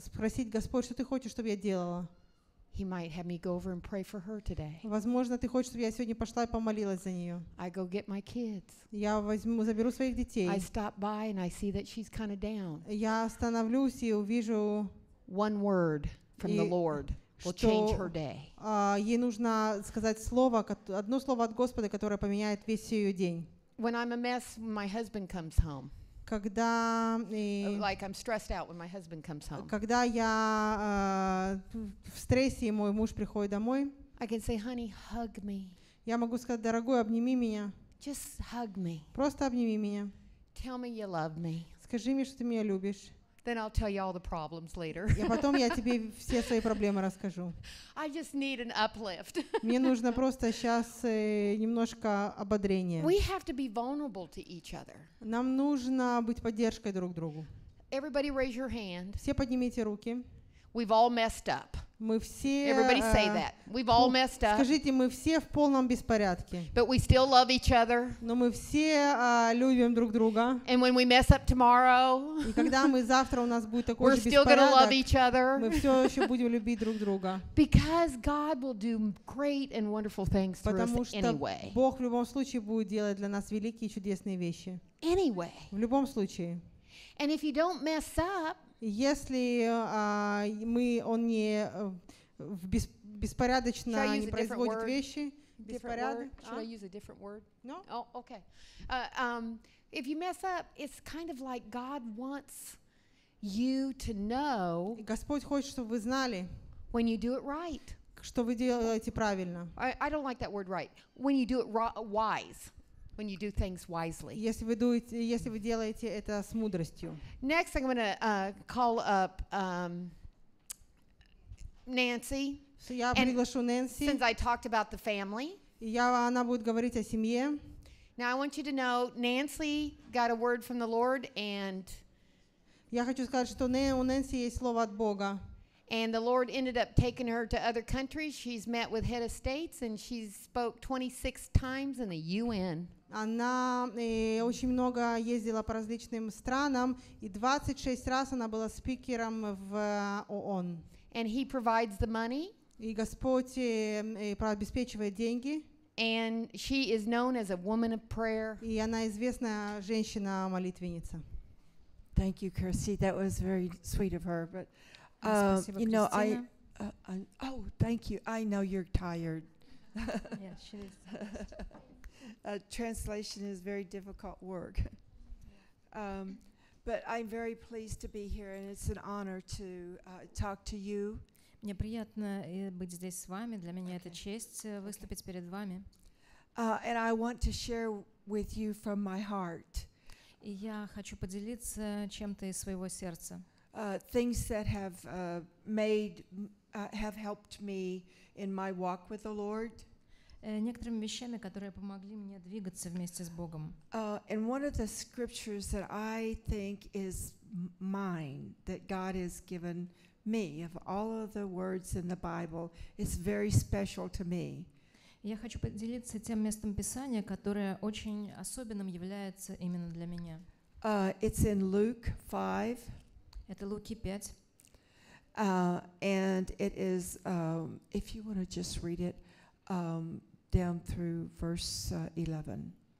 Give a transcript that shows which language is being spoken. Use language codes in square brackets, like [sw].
[ru] Спросить: Господь, что ты хочешь, чтобы я делала? [en] He might have me go over and pray for her today. [ru] Возможно, ты хочешь, чтобы я сегодня пошла и помолилась за нее. [en] I go get my kids. [ru] Я возьму, заберу своих детей. [en] I stop by and I see that she's kind of down. [ru] Я остановлюсь и увижу. [en] One word from the Lord will change her day. [ru] Ей нужно сказать слово, одно слово от Господа, которое поменяет весь ее день. [en] When I'm a mess, my husband comes home. [ru] Когда [en] like I'm stressed out when my husband comes home. [ru] Когда я в стрессе и мой муж приходит домой. [en] I can say, honey, hug me. [ru] Я могу сказать: дорогой, обними меня. [en] Just hug me. [ru] Просто обними меня. [en] Tell me you love me. [ru] Скажи мне, что ты меня любишь. [en] Then I'll tell you all the problems later. [ru] И потом я тебе все свои проблемы расскажу. [en] I just need an uplift. [ru] Мне нужно просто сейчас немножко ободрения. [en] We have to be vulnerable to each other. [ru] Нам нужно быть поддержкой друг другу. [en] Everybody raise your hand. [ru] Все поднимите руки. [en] We've all messed up. [ru] Мы все. [en] Everybody say that. We've all messed up. [ru] Скажите: мы все в полном беспорядке. [en] But we still love each other. [ru] Но мы все любим друг друга. [en] And when we mess up tomorrow. [ru] И когда мы завтра у нас будет такой же беспорядок. [en] We're still gonna love each other. [ru] Мы все еще будем любить друг друга. [en] Because God will do great and wonderful things through us anyway. [ru] Потому что Бог в любом случае будет делать для нас великие и чудесные вещи. [en] Anyway. [ru] В любом случае. [en] And if you don't mess up. [ru] Если мы он не беспорядочно не производит вещи, [en] беспорядок. Should I use a different word? No. Oh, okay. If you mess up, it's kind of like God wants you to know. [ru] Господь хочет, чтобы вы знали. [en] When you do it right. [ru] Что вы делаете правильно. [en] I don't like that word right. When you do it wise. When you do things wisely. [ru] Если вы делаете это с мудростью. [en] Next, I'm going to call up Nancy. [ru] So я приглашу Нэнси. [en] Since I talked about the family. [ru] Она будет говорить о семье. [en] Now I want you to know Nancy got a word from the Lord and [ru] я хочу сказать, что у Нэнси есть слово от Бога. [en] And the Lord ended up taking her to other countries. She's met with head of states and she's spoke 26 times in the UN. [ru] Она очень много ездила по различным странам и 26 раз она была спикером в ООН. [en] And he provides the money. [ru] И Господь обеспечивает деньги. [en] And she is known as a woman of prayer. [ru] И она известна женщина-молитвенница. [en] Thank you, Kirstie. That was very sweet of her. But [ru] спасибо, [en] you know, Christina. I thank you. I know you're tired. Yes, she is. Translation is very difficult work. But I'm very pleased to be here, and it's an honor to talk to you. [ru] Мне приятно быть здесь с вами. Для меня это честь выступить перед вами. [en] And I want to share with you from my heart. [ru] И я хочу поделиться чем-то из своего сердца. [en] Things that have made have helped me in my walk with the Lord. [ru] Некоторыми вещами, которые помогли мне двигаться вместе с Богом. [en] And one of the scriptures that I think is mine that God has given me of all of the words in the Bible is very special to me. [ru] Я хочу поделиться тем местом Писания, которое очень особенным является именно для меня. [en] It's in Luke 5. [ru] Это Луки 5. [en] And it is if you want to just read it down through verse 11.